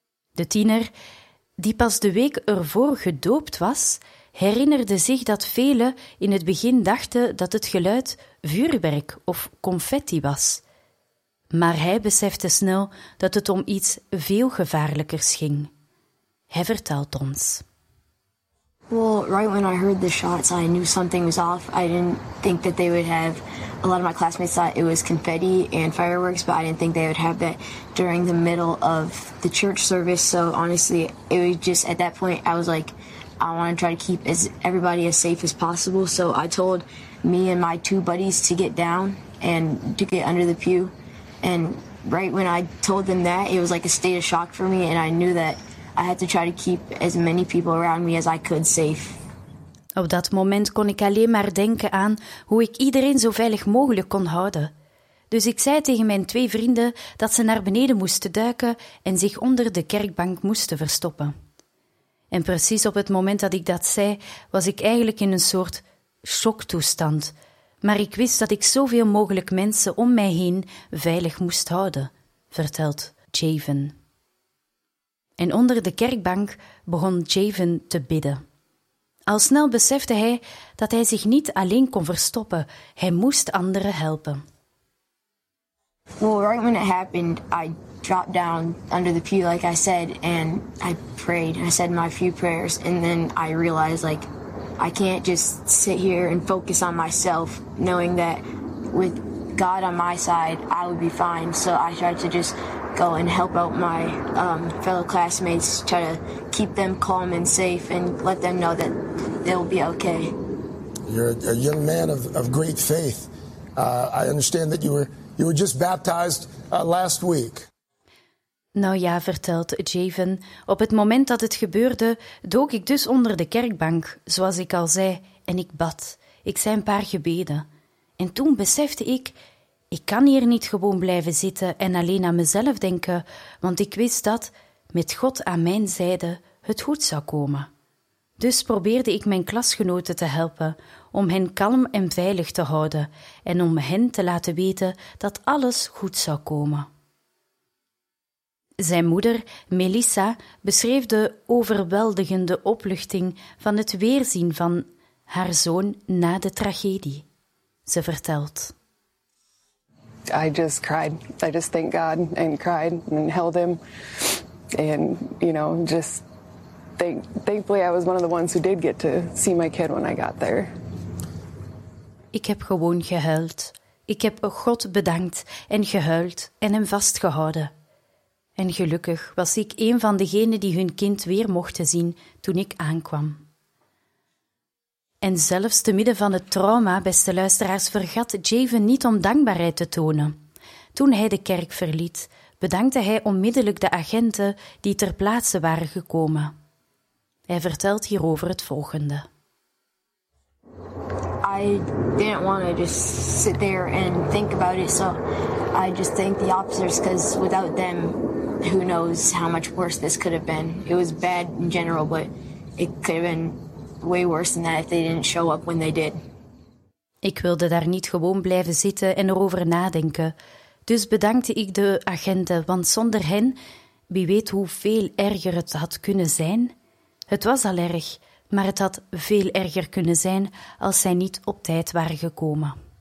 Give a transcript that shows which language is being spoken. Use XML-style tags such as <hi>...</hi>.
<nl>De tiener, die pas de week ervoor gedoopt was, herinnerde zich dat velen in het begin dachten dat het geluid vuurwerk of confetti was. Maar hij besefte snel dat het om iets veel gevaarlijkers ging. Hij vertelt ons.</nl> <en>Well, right when I heard the shots, I knew something was off. I didn't think that they would have, a lot of my classmates thought it was confetti and fireworks, but I didn't think they would have that during the middle of the church service. So honestly, it was just at that point, I was like, I want to try to keep everybody as safe as possible. So I told me and my 2 buddies to get down and to get under the pew. And right when I told them that, it was like a state of shock for me. And I knew that I had to try to keep as many people around me as I could safe.</en> <nl>Op dat moment kon ik alleen maar denken aan hoe ik iedereen zo veilig mogelijk kon houden. Dus ik zei tegen mijn 2 vrienden dat ze naar beneden moesten duiken en zich onder de kerkbank moesten verstoppen. En precies op het moment dat ik dat zei, was ik eigenlijk in een soort shocktoestand. Maar ik wist dat ik zoveel mogelijk mensen om mij heen veilig moest houden, vertelt Javen. En onder de kerkbank begon Javen te bidden. Al snel besefte hij dat hij zich niet alleen kon verstoppen. Hij moest anderen helpen.</nl> <en>Well, right when it happened, I dropped down under the pew, like I said, and I prayed. I said my few prayers, and then I realized, like, I can't just sit here and focus on myself, knowing that with God on my side, I would be fine. So I tried to just go and help out my fellow classmates, try to keep them calm and safe, and let them know that they'll be okay. You're a young man of great faith. I understand that you were just baptized last week.</en> <nl>Nou ja, vertelt Javen, op het moment dat het gebeurde, dook ik dus onder de kerkbank, zoals ik al zei, en ik bad. Ik zei een paar gebeden. En toen besefte ik kan hier niet gewoon blijven zitten en alleen aan mezelf denken, want ik wist dat, met God aan mijn zijde, het goed zou komen. Dus probeerde ik mijn klasgenoten te helpen, om hen kalm en veilig te houden en om hen te laten weten dat alles goed zou komen. Zijn moeder, Melissa, beschreef de overweldigende opluchting van het weerzien van haar zoon na de tragedie. Ze vertelt.</nl> <en>I just cried. I just thanked God and cried and held him. And, you know, just thankfully I was one of the ones who did get to see my kid when I got there.</en> <nl>Ik heb gewoon gehuild. Ik heb God bedankt en gehuild en hem vastgehouden. En gelukkig was ik een van degenen die hun kind weer mochten zien toen ik aankwam. En zelfs te midden van het trauma, beste luisteraars, vergat Javen niet om dankbaarheid te tonen. Toen hij de kerk verliet, bedankte hij onmiddellijk de agenten die ter plaatse waren gekomen. Hij vertelt hierover het volgende.</nl> <en>I didn't want to just sit there and think about it, so I just thanked the officers, because without them, who knows how much worse this could have been. It was bad in general, but it could have been way worse than that if they didn't show up when they did.</en> <nl>Ik wilde daar niet gewoon blijven zitten en erover nadenken. Dus bedankte ik de agenten, want zonder hen, wie weet hoe veel erger het had kunnen zijn. Het was al erg, maar het had veel erger kunnen zijn als zij niet op tijd waren gekomen.</nl>